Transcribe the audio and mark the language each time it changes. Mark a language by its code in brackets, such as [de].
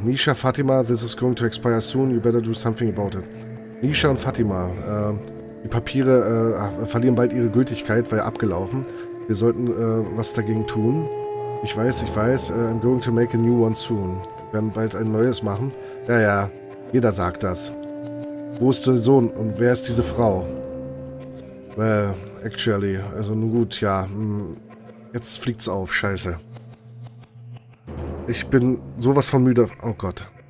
[en] Nisha, Fatima, this is going to expire soon. You better do something about it. [de] Nisha und Fatima, die Papiere verlieren bald ihre Gültigkeit, weil abgelaufen. Wir sollten was dagegen tun. Ich weiß. [en] I'm going to make a new one soon. [de] Wir werden bald ein neues machen. Ja, ja. Jeder sagt das. Wo ist der Sohn und wer ist diese Frau? [en] Well, actually. [de] Also nun gut, ja. Jetzt fliegt's auf. Scheiße. Ich bin sowas von müde. Oh Gott.